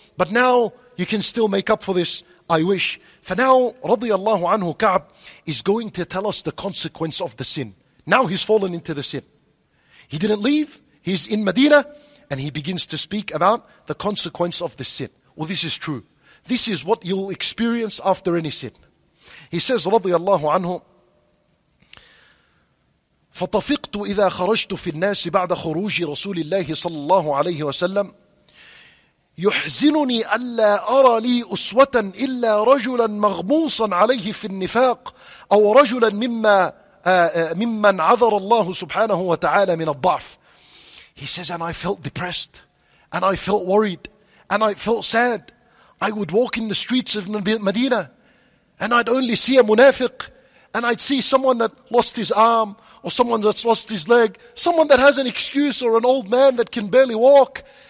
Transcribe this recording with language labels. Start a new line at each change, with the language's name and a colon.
English: But now you can still make up for this. I wish. For now, radiallahu anhu, Ka'b is going to tell us the consequence of the sin. Now he's fallen into the sin. He didn't leave. He's in Medina. And he begins to speak about the consequence of the sin. Well, this is true. This is what you'll experience after any sin. He says,
Arabic: radiallahu anhu, فَطَفِقْتُ إِذَا خَرَجْتُ فِي النَّاسِ بَعْدَ خُرُوجِ رَسُولِ اللَّهِ صَلَّى اللَّهُ عَلَيْهِ وَسَلَّمْ يحزنني ألا أرى لي أسوة إلا رجلا مغموصا عليه في النفاق أو رجلا ممن عذر الله سبحانه وتعالى من الضعف.
English: He says, and I felt depressed, and I felt worried, and I felt sad. I would walk in the streets of Medina, and I'd only see a munafiq, and I'd see someone that lost his arm, or someone that's lost his leg, someone that has an excuse, or an old man that can barely walk.